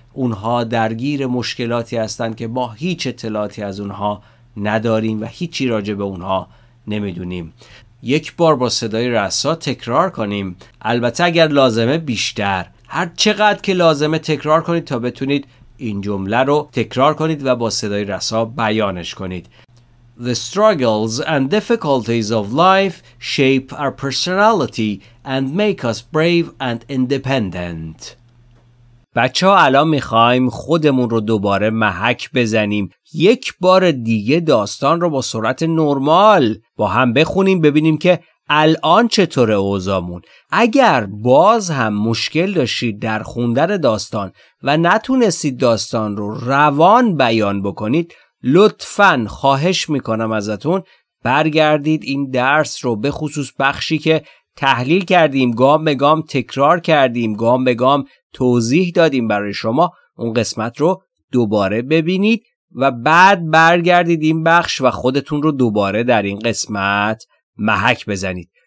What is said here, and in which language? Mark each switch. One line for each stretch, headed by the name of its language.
Persian: اونها درگیر مشکلاتی هستند که ما هیچ اطلاعاتی از اونها نداریم و هیچی راجع به اونها نمیدونیم. یک بار با صدای رسا تکرار کنیم. البته اگر لازمه بیشتر. هر چقدر که لازمه تکرار کنید تا بتونید این جمله رو تکرار کنید و با صدای رسا بیانش کنید.
English: The struggles and difficulties of life shape our personality and make us brave and independent.
Persian: بچه ها الان میخواییم خودمون رو دوباره محک بزنیم. یک بار دیگه داستان رو با سرعت نرمال با هم بخونیم ببینیم که الان چطوره اوضاعمون. اگر باز هم مشکل داشتید در خوندن داستان و نتونستید داستان رو روان بیان بکنید, لطفاً خواهش میکنم ازتون برگردید این درس رو, به خصوص بخشی که تحلیل کردیم, گام به گام تکرار کردیم, گام به گام توضیح دادیم برای شما, اون قسمت رو دوباره ببینید و بعد برگردید این بخش و خودتون رو دوباره در این قسمت محک بزنید.